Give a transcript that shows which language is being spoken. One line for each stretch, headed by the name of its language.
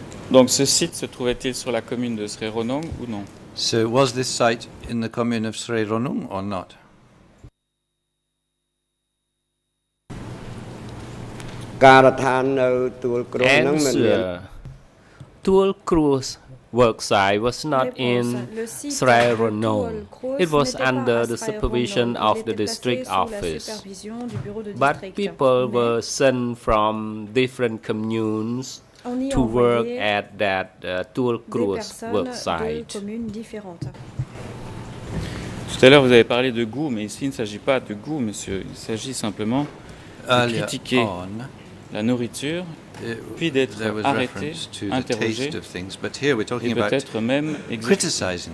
French: Donc, ce site se trouvait-il sur la commune de Sri Ranong ou non?
English: So was this site in the commune of Sri Ranong or not? Answer. Tuol Krus work site was not in Sri Ranong. It was under the supervision of the district office. But people were sent from different communes to work at that Tuol Krus work site.
French: Tout à l'heure, vous avez parlé de goût, mais ici, il ne s'agit pas de goût, monsieur. Il s'agit simplement de critiquer la nourriture, puis d'être arrêté, interrogé, et peut-être même exécuté.